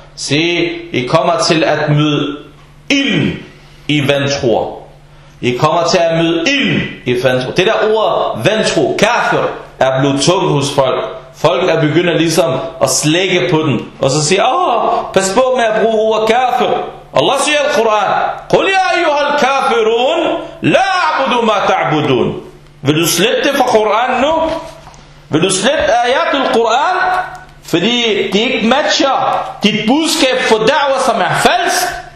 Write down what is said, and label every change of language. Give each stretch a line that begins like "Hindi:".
Danish: Sige, I kommer til at møde ild i vantro. I kommer til at møde ild i vantro. Det der ord, vantro, kafir, er blevet tungt hos folk. Folk er begyndt at ligesom at slække på den. Og så siger, åh, pas på med at bruge ordet kafir.
Arabic: Allah siger i Al-Quran, قُلْ يَا أَيُّهَا الْكَافِرُونَ لَا أَعْبُدُ مَا تَعْبُدُونَ.
Danish: Vil du slette det fra Koran nu? Vil du slette ayat al-Quran? Fordi det ikke matcher dit budskab for da'wa, som er falsk.